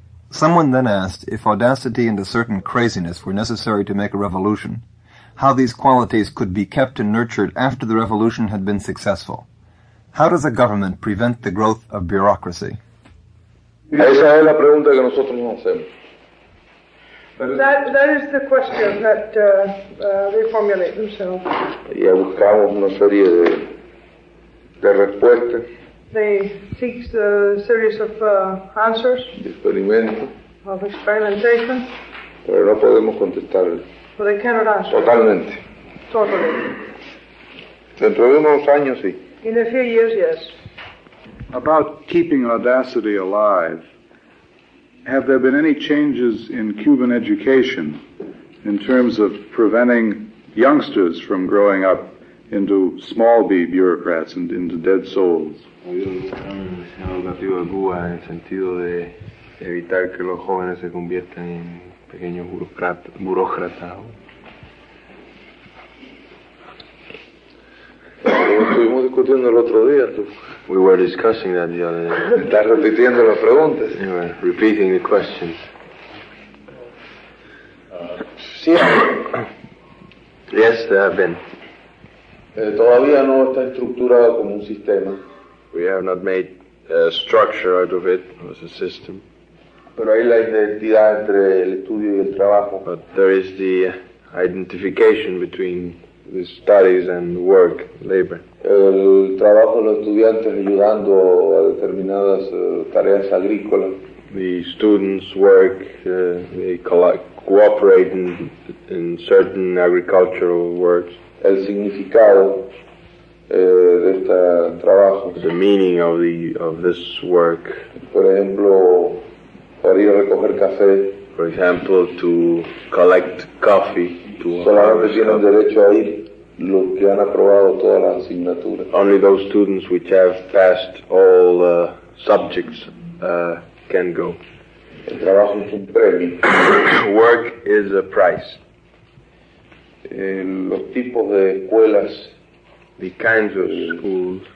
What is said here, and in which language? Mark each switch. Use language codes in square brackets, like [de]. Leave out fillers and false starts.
[en] Someone then asked if audacity and a certain craziness were necessary to make a revolution, how these qualities could be kept and nurtured after the revolution had been successful. How does a government prevent the growth of bureaucracy? [es] Esa es la pregunta que nosotros nos hacemos. [en] That is the question that they formulate themselves. [es] Ya buscamos una serie de respuestas. [en] They seek a series of answers. Of experimentation. [es] Pero no podemos contestar. [en] But they cannot answer. [es] Totalmente. [en] Totally. [es] Dentro de unos años, sí. [en] In a few years, yes. About keeping audacity alive, have there been any changes in Cuban education in terms of preventing youngsters from growing up into small b bureaucrats and into dead souls? [es] ¿Ha habido un cambio educativo en Cuba en el sentido de evitar que los jóvenes se conviertan en pequeños burócratas? Estuvimos discutiendo el otro día. [en] We were discussing that the other day. [es] Estás repitiendo las preguntas. [en] Anyway, repeating the questions. [es] Sí. [en] Yes, there have been. [es] Todavía no está estructurado como un sistema. [en] We have not made a structure out of it as a system. [es] Pero hay la identidad entre el estudio y el trabajo. [en] But there is the identification between the studies and work, labor. [es] El trabajo de los estudiantes ayudando a determinadas tareas agrícolas. [en] The students work, they cooperate in certain agricultural works. [es] El significado. De este trabajo. [en] The meaning of this work. [es] Por ejemplo, para ir a recoger café. [en] For example, to collect coffee. To [es] solamente tienen coffee. Derecho a ir los que han aprobado todas las asignaturas. [en] Only those students which have passed all subjects can go. [es] El trabajo es un premio. [en] Work is a price. [es] Los tipos de escuelas. [en] The kinds of schools